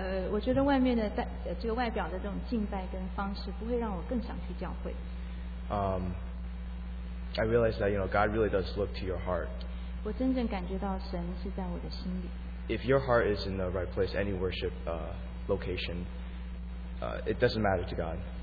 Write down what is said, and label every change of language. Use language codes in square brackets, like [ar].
[zh] 我觉得外面的这个外表的这种敬拜跟方式不会让我更想去教会。 [en] I realized that, you know, God really does look to your heart. [zh] 我真正感觉到神是在我的心里。 [en] If your heart is in the right place, any worship location, it doesn't matter to God.